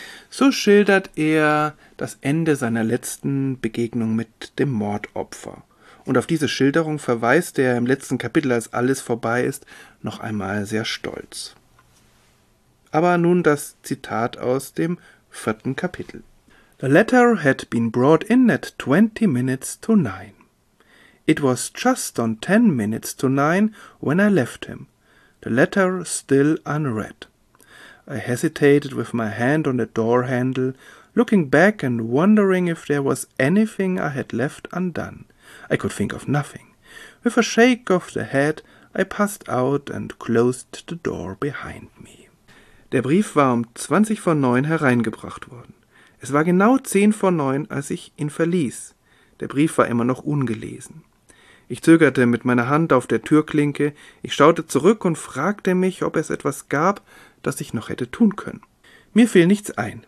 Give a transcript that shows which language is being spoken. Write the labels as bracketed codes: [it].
[de] So schildert er das Ende seiner letzten Begegnung mit dem Mordopfer. Und auf diese Schilderung verweist er im letzten Kapitel, als alles vorbei ist, noch einmal sehr stolz. Aber nun das Zitat aus dem 4. Kapitel. [en] The letter had been brought in at 9:20. It was just on 9:10 when I left him, the letter still unread. I hesitated with my hand on the door handle, looking back and wondering if there was anything I had left undone. I could think of nothing. With a shake of the head, I passed out and closed the door behind me. [de] Der Brief war 9:20 hereingebracht worden. Es war genau 9:10, als ich ihn verließ. Der Brief war immer noch ungelesen. Ich zögerte mit meiner Hand auf der Türklinke, ich schaute zurück und fragte mich, ob es etwas gab, das ich noch hätte tun können. Mir fiel nichts ein.